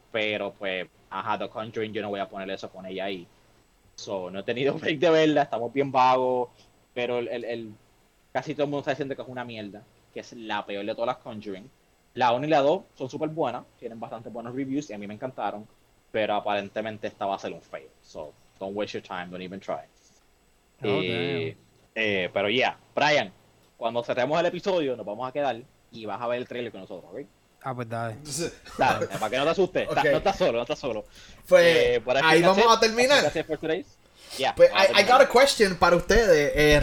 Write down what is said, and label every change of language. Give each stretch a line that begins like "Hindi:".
Spanish: Pero pues, ajá, The Conjuring, yo no voy a poner eso con ella ahí. So, no he tenido break de verla, estamos bien vagos. Pero el casi todo el mundo está diciendo que es una mierda, que es la peor de todas las Conjuring. La 1 y la 2 son súper buenas, tienen bastante buenos reviews y a mí me encantaron. Pero aparentemente esta va a ser un fail.
English: So, don't waste your time, don't even try. Oh,
Spanish: pero ya, yeah. Brian, cuando cerremos el episodio nos vamos a quedar y vas a ver el trailer con nosotros, ¿ok? Ah, pues dale. Dale, para que no te asustes. Okay. No estás solo, no estás solo. Pues ahí vamos a terminar. Gracias por today's.
English: Yeah,
Spanish: pues
English: I got a question
Spanish: para ustedes.